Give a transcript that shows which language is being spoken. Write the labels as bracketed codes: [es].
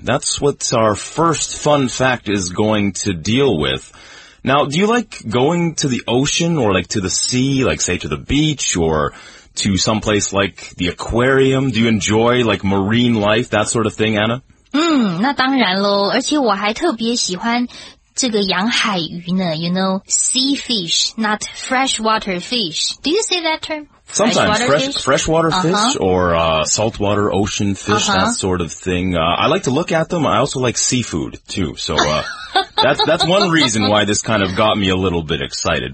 [en] That's what our first fun fact is going to deal with. Now, do you like going to the ocean or like to the sea, like say to the beach or to some place like the aquarium? Do you enjoy, like, marine life, that sort of thing, Anna? [zh] 那当然咯。而且我还特别喜欢这个养海鱼呢。 [en] You know, sea fish, not freshwater fish. Do you say that term? Sometimes, freshwater fish uh-huh. or saltwater ocean fish, uh-huh. that sort of thing. I like to look at them. I also like seafood, too. So that's one reason why this kind of got me a little bit excited.